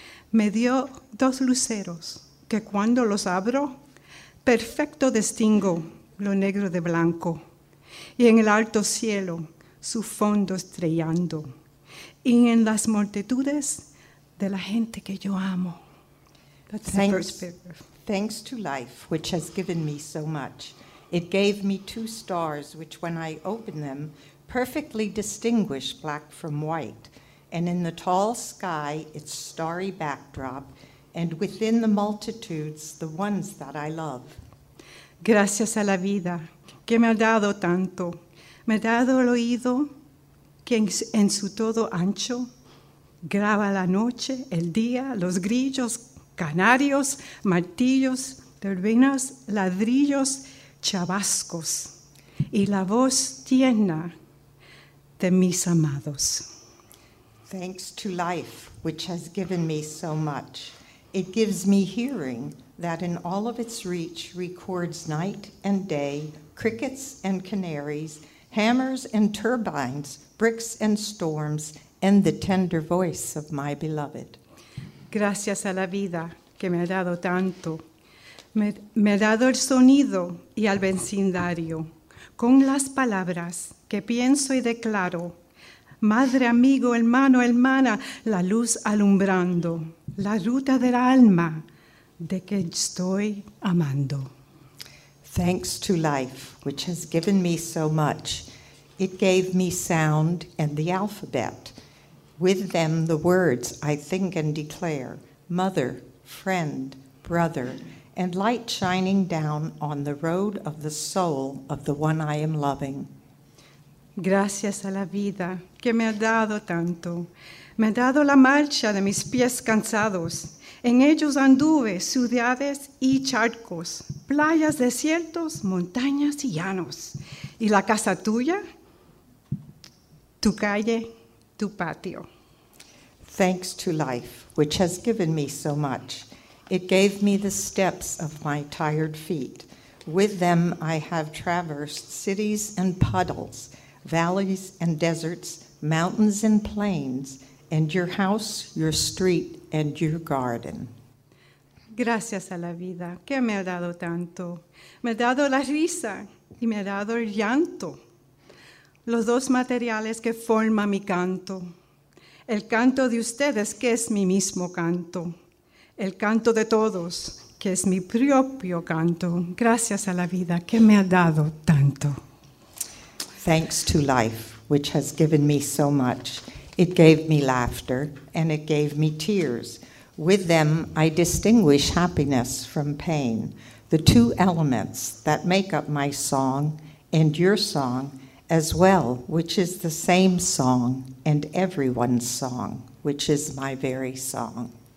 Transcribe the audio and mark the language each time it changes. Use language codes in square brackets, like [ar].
[es] Me dio dos luceros que cuando los abro, perfecto distingo lo negro de blanco y en el alto cielo su fondo estrellando y en las multitudes de la gente que yo amo. [en] That's thanks, the first paragraph. Thanks to life, which has given me so much. It gave me two stars, which when I open them, perfectly distinguish black from white. And in the tall sky, its starry backdrop, and within the multitudes, the ones that I love. [es] Gracias a la vida que me ha dado tanto. Me ha dado el oído que en su todo ancho graba la noche, el día, los grillos, canarios, martillos, turbinas, ladrillos, chabascos, y la voz tierna de mis amados. [en] Thanks to life, which has given me so much. It gives me hearing that in all of its reach records night and day, crickets and canaries, hammers and turbines, bricks and storms, and the tender voice of my beloved. [es] Gracias a la vida que me ha dado tanto. Me ha dado el sonido y al vecindario. Con las palabras que pienso y declaro, madre, amigo, hermano, hermana, la luz alumbrando, la ruta del alma de que estoy amando. [en] Thanks to life, which has given me so much. It gave me sound and the alphabet. With them, the words I think and declare, mother, friend, brother, and light shining down on the road of the soul of the one I am loving. [es] Gracias a la vida que me ha dado tanto. Me ha dado la marcha de mis pies cansados. En ellos anduve ciudades y charcos, playas, desiertos, montañas y llanos. Y la casa tuya, tu calle, tu patio. [en] Thanks to life, which has given me so much. It gave me the steps of my tired feet. With them I have traversed cities and puddles, valleys and deserts, mountains and plains, and your house, your street, and your garden. [es] Gracias a la vida que me ha dado tanto. Me ha dado la risa y me ha dado el llanto. Los dos materiales que forma mi canto. El canto de ustedes, que es mi mismo canto. El canto de todos, que es mi propio canto. Gracias a la vida que me ha dado tanto. [en] Thanks to life, which has given me so much. It gave me laughter, and it gave me tears. With them, I distinguish happiness from pain, the two elements that make up my song and your song as well, which is the same song and everyone's song, which is my very song.